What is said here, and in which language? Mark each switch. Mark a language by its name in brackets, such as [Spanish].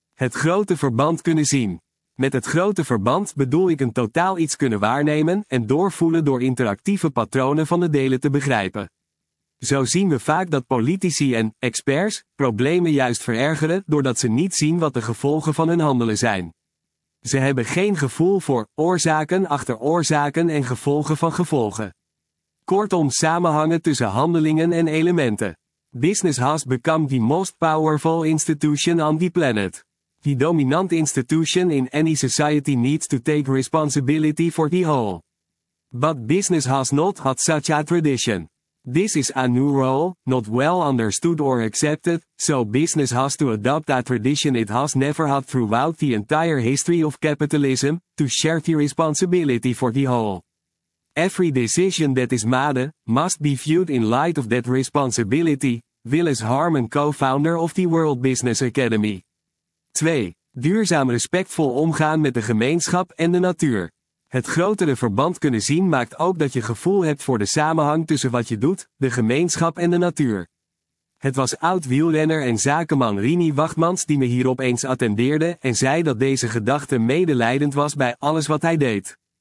[Dutch] Het grote verband kunnen zien. Met het grote verband bedoel ik een totaal iets kunnen waarnemen en doorvoelen door interactieve patronen van de delen te begrijpen. Zo zien we vaak dat politici en experts problemen juist verergeren doordat ze niet zien wat de gevolgen van hun handelen zijn. Ze hebben geen gevoel voor oorzaken achter oorzaken en gevolgen van gevolgen. Kortom, samenhangen tussen handelingen en elementen. [English] Business has become the most powerful institution on the planet. The dominant institution in any society needs to take responsibility for the whole. But business has not had such a tradition. This is a new role, not well understood or accepted, so business has to adopt a tradition it has never had throughout the entire history of capitalism, to share the responsibility for the whole. Every decision that is made, must be viewed in light of that responsibility, Willis Harman, co-founder of the World Business Academy. [Dutch] 2. Duurzaam respectvol omgaan met de gemeenschap en de natuur. Het grotere verband kunnen zien maakt ook dat je gevoel hebt voor de samenhang tussen wat je doet, de gemeenschap en de natuur. Het was oud-wielrenner en zakenman Rini Wachtmans die me hierop eens attendeerde en zei dat deze gedachte medelijdend was bij alles wat hij deed.